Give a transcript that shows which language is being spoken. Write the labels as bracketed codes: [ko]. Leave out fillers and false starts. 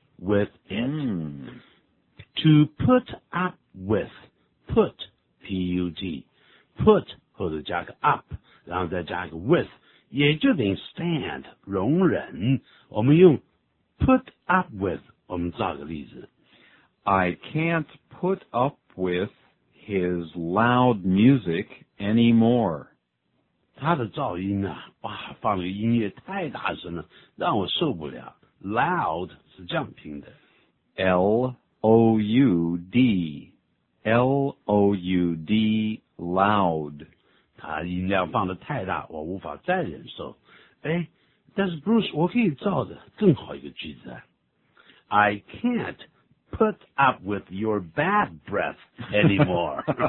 [en] With it.、To put up with, put, P-U-T, put, [zh] 或者加个 up, 然后再加个 with, 也就等于 stand, 容忍。我们用 put up with, 我们造个例子。 [en] I can't put up with his loud music anymore. [zh] 他的噪音啊哇放个音乐太大声了让我受不了。 Loud,这样拼的 [en] L-O-U-D L-O-U-D loud [zh] 他音量放得太大我无法再忍受但是 [en] Bruce, [zh] 我可以造的更好一个句子。 [en] I can't put up with your bad breath anymore.